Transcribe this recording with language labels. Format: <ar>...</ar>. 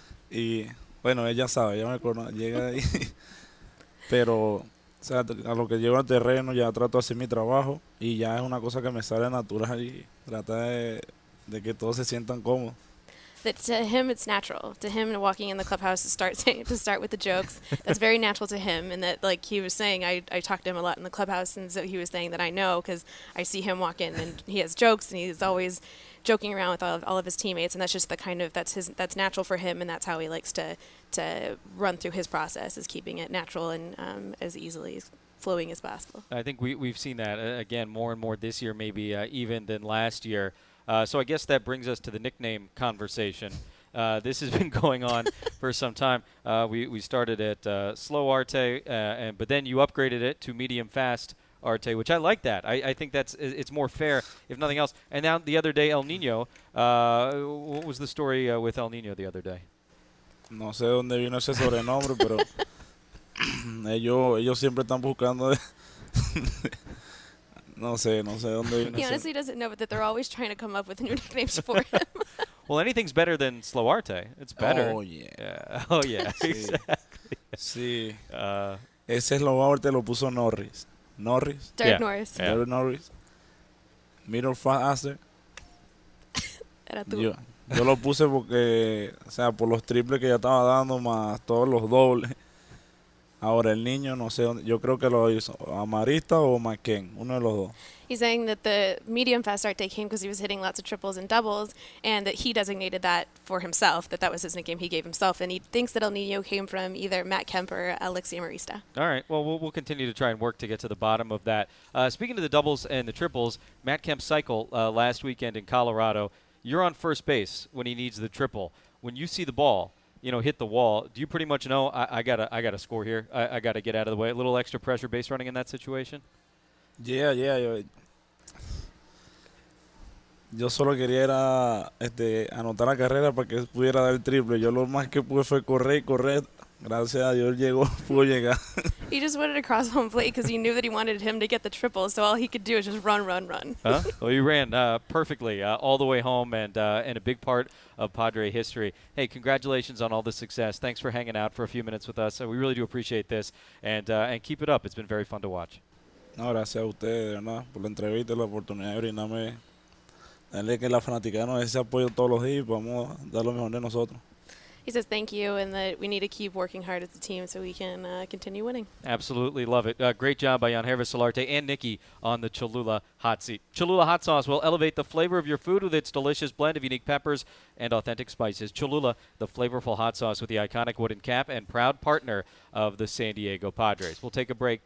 <es>Y bueno, ella sabe, ella me conoce, llega ahí. Pero, o sea, a lo que llego al terreno, ya trato de hacer mi trabajo. Y ya es una cosa que me sale natural y trata de que todos se sientan cómodos.</es> <en>That to him it's natural. To him walking in the clubhouse to start with the jokes. That's very natural to him. And that, like he was saying, I talked to him a lot in the clubhouse, and so he was saying that I know because I see him walk in and he has jokes and he's always joking around with all of his teammates, and that's just the kind of that's natural for him, and that's how he likes to run through his process, is keeping it natural and as easily flowing as possible. I think we've seen that again more and more this year, maybe even than last year. So I guess that brings us to the nickname conversation. This has been going on for some time. We started at slow Arte, but then you upgraded it to medium fast Arte, which I like that. I think that's it's more fair, if nothing else. And now the other day, El Nino. What was the story with El Nino the other day?</en> <es>No sé dónde vino ese sobrenombre, pero ellos siempre están buscando. No sé dónde viene.</es> <en>He honestly doesn't know, but that they're always trying to come up with new nicknames for him. Well, anything's better than Slow Arte. It's better. Oh, yeah. Oh, yeah.</en> <es>Sí.</es> <en>Exactly.</en> <es>Sí. Ese Slow Arte lo puso Norris. Norris.</es> <en>Derek, yeah. Norris. Yeah. Derek Norris. Middle Fast Aster.</en> <es>Era tú. Yo lo puse porque, o sea, por los triples que ya estaba dando, más todos los dobles. Ahora el niño, no sé, yo creo que lo hizo Amarista o McKen, uno de los dos.</es> <en>He's saying that the medium fast Arte came because he was hitting lots of triples and doubles, and that he designated that for himself, that was his nickname he gave himself, and he thinks that El Nino came from either Matt Kemp or Alexi Amarista. All right, well, we'll continue to try and work to get to the bottom of that. Speaking of the doubles and the triples, Matt Kemp's cycle last weekend in Colorado, you're on first base when he needs the triple. When you see the ball, you know, hit the wall, do you pretty much know, I gotta score here. I gotta get out of the way. A little extra pressure base running in that situation. Yeah.</en> <es>Yo solo quería era anotar la carrera para que pudiera dar el triple. Yo lo más que pude fue correr. Gracias a Dios llegó, pudo llegar.</es> <en>He just wanted to cross home plate because he knew that he wanted him to get the triple. So all he could do is just run. Huh? Well, you ran perfectly all the way home and a big part of Padre history. Hey, congratulations on all the success. Thanks for hanging out for a few minutes with us. We really do appreciate this. And keep it up. It's been very fun to watch.</en> <es>No, gracias a ustedes, ¿verdad? Por la entrevista y la oportunidad de brindarme. Dale que la fanaticada nos dé ese apoyo todos los días y vamos a dar lo mejor de nosotros.</es> <en>He says thank you and that we need to keep working hard as a team so we can continue winning. Absolutely love it. Great job by Yanhervis Solarte and Nikki on the Cholula Hot Seat. Cholula Hot Sauce will elevate the flavor of your food with its delicious blend of unique peppers and authentic spices. Cholula, the flavorful hot sauce with the iconic wooden cap and proud partner of the San Diego Padres. We'll take a break.</en>